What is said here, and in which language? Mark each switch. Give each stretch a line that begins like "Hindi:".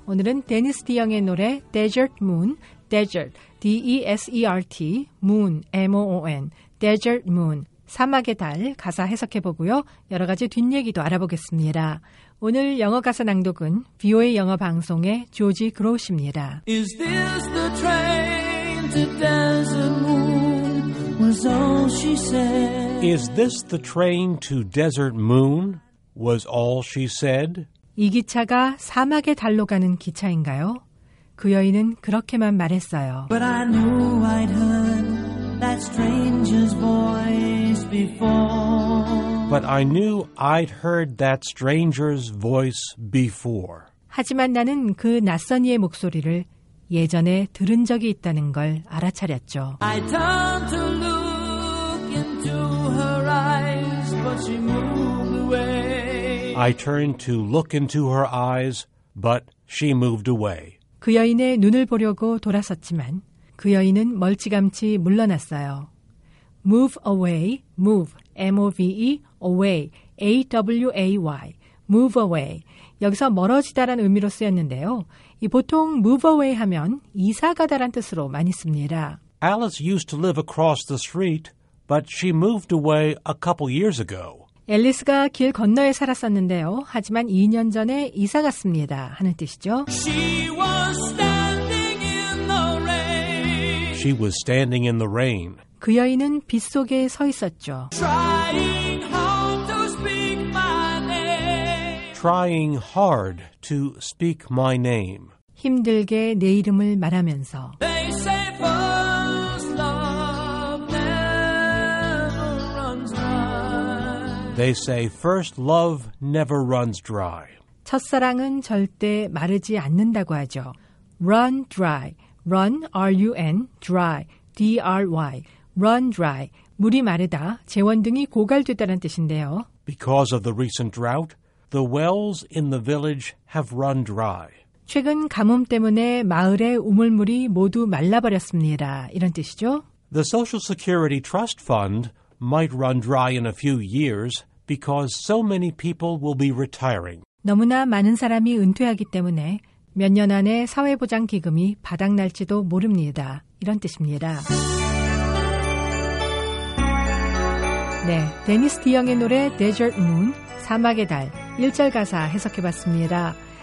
Korean: 오늘은 데니스 디영의 노래 Desert Moon, Desert, D-E-S-E-R-T, Moon, M-O-O-N, Desert Moon, 사막의 달 가사 해석해보고요. 여러 가지 뒷얘기도 알아보겠습니다. 오늘 영어 가사 낭독은 VOA 영어 방송의 조지 그로우입니다.
English: Is this the train to Desert Moon was all she said? Is this the train to Desert Moon was all she said?
Korean: 이 기차가 사막의 달로 가는 기차인가요? 그 여인은 그렇게만 말했어요.
English: But I knew I'd heard that stranger's voice before. But I knew I'd heard that stranger's voice before.
Korean: 하지만 나는 그 낯선 이의 목소리를 예전에 들은 적이 있다는 걸 알아차렸죠.
English: I turned to look into her eyes, but she moved away. I turned to look into her eyes, but she moved away.
Korean: 그 여인의 눈을 보려고 돌아섰지만 그 여인은 멀찌감치 물러났어요.
English: Move away, move, M-O-V-E, away, A-W-A-Y, move away.
Korean: 여기서 멀어지다란 의미로 쓰였는데요. 이 보통 move away 하면 이사가다란 뜻으로 많이 씁니다.
English: Alice used to live across the street, but she moved away a couple years ago.
Korean: 앨리스가 길 건너에 살았었는데요. 하지만 2년 전에 이사 갔습니다. 하는 뜻이죠.
English: She was standing in the rain. She was standing in the rain.
Korean: 그 여인은 빗속에 서 있었죠.
English: Trying hard to speak my name. Trying hard to speak my name.
Korean: 힘들게 내 이름을 말하면서.
English: They say first love never runs dry. They say first love never runs dry.
Korean: 첫사랑은 절대 마르지 않는다고 하죠.
English: Run dry. Run, R-U-N, dry, D-R-Y. Run dry.
Korean: 물이 마르다, 재원 등이 고갈됐다는 뜻인데요.
English: Because of the recent drought, the wells in the village have run dry.
Korean: 최근 가뭄 때문에 마을의 우물물이 모두 말라버렸습니다. 이런 뜻이죠.
English: The Social Security Trust Fund might run dry in a few years because so many people will be retiring.
Korean: 너무나 많은 사람이 은퇴하기 때문에 몇 년 안에 사회보장기금이 바닥날지도 모릅니다. 이런 뜻입니다. 네, 데니스 디영의 노래 Desert Moon, 사막의 달, 1절 가사 해석해봤습니다.